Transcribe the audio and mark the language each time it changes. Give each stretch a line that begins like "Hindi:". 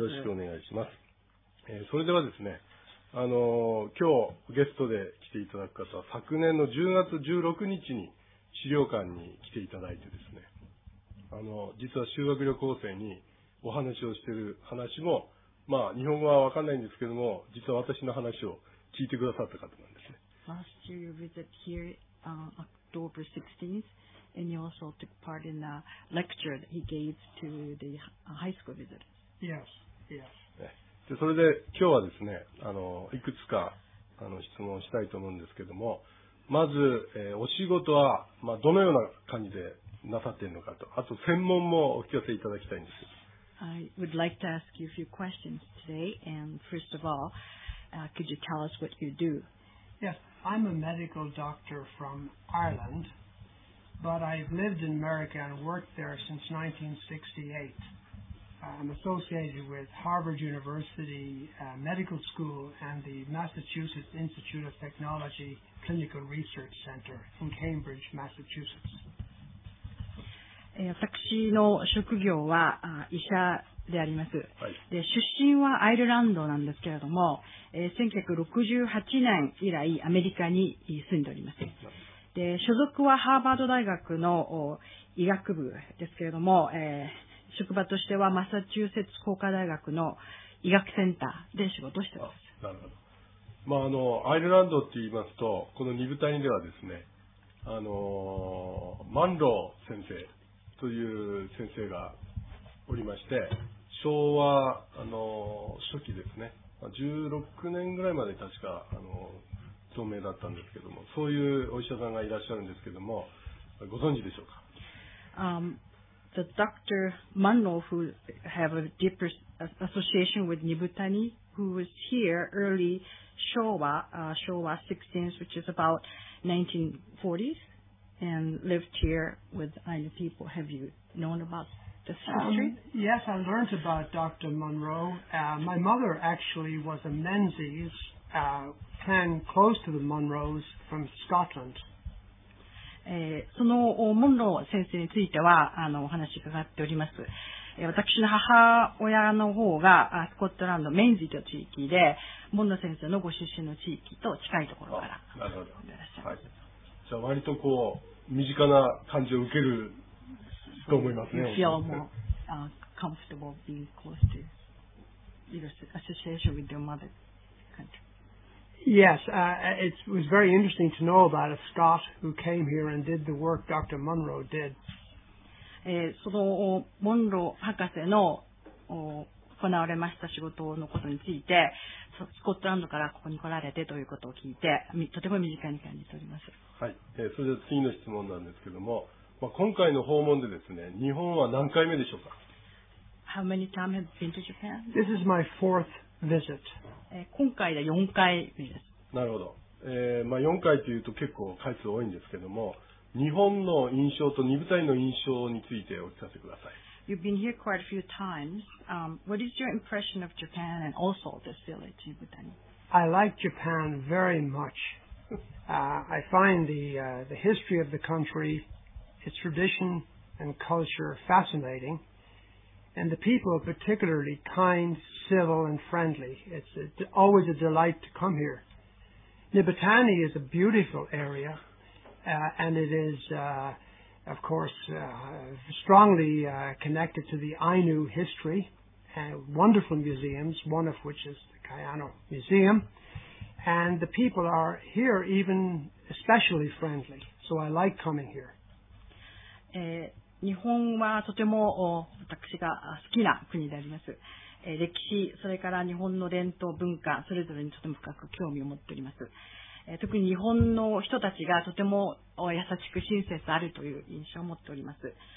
Japanese: よろしくお願いします。それではですね、今日ゲストで来ていただく方は、昨年の10月16日に資料館に来ていただいてですね、実は修学旅行生にお話をしている話も、まあ、日本語は分かんないんですけども、実は私の話を聞いてくださった方なんですね。
English: Last year you visited here on October 16th, and you also took part in a lecture that he gave to the high school visitors. Yes, yes.
Japanese: でそれで今日はですね、いくつか質問したいと思うんですけども、まず、お仕事は、まあ、どのような感じでなさっているのかと、あと専門もお聞かせいただきたいんです。
English: I would like to ask you a few questions today, and first of all, could you tell us what you do? Yes, I'm a medical doctor from Ireland, but I've lived in America and worked there since 1968. I'm associated with Harvard University Medical School and the Massachusetts Institute of Technology Clinical Research Center in Cambridge, Massachusetts.
Japanese: 私の職業は医者であります、はい、で出身はアイルランドなんですけれども、1968年以来アメリカに住んでおります。で所属はハーバード大学の医学部ですけれども、職場としてはマサチューセッツ工科大学の医学センターで仕事しています。なるほど、まあ、アイルランドって言いますとこの二部隊ではですね、マンロー先生という先生がおりまして、昭和初期ですね、16年ぐらいまで確か存命だったんですけども、そういうお医者さんがいらっしゃるんですけども、ご存知でしょうか。
English: The Dr. Munro, who have a deep association with Nibutani, who was here early Showa, Showa 16th, which is about 1940sAnd lived here with Ainu people. Have you known about this history? Yes, I learned about Dr. Munro. My mother actually was a Menzies, clan close to the Munros from Scotland.
Japanese: そのモンロー先生についてはお話伺っております。私の母親の方がスコットランドメンズという地域で、モンロー先生のご出身の地域と近いところから。なるほど。はい。じゃあ割とこう身近な感じを受けると思いますね。
English: You feel more comfortable being close to your association with your mother country. Yes, it was very interesting to know about a Scot who came here and did the work Dr. Munro did.
Japanese: そのモンロー博士の行われました仕事のことについて、スコットランドからここに来られてということを聞いて、とても身近に感じております。はい、それでは次の質問なんですけども、まあ、今回の訪問でですね、日本は何回目でしょうか。
English: How many times have you been to Japan? This is my fourth visit.
Japanese: 今回で4回目です。なるほど。まあ、4回というと結構回数多いんですけども、日本の印象と二部隊の印象についてお聞かせください。
English: You've been here quite a few times. What is your impression of Japan and also this village, Nibutani? I like Japan very much. I find the history of the country, its tradition and culture fascinating, and the people are particularly kind, civil and friendly. It's always a delight to come here. Nibutani is a beautiful area, and it is... Of course, strongly connected to the Ainu history, wonderful museums, one of which is the Kayano Museum. And the people are here even especially friendly. So I like coming here.
Japanese: 日本はとても私が好きな国であります。歴史、それから日本の伝統、文化、それぞれにとても深く興味を持っております。特に日本の人たちがとても優しく親切あるという印象を持っております。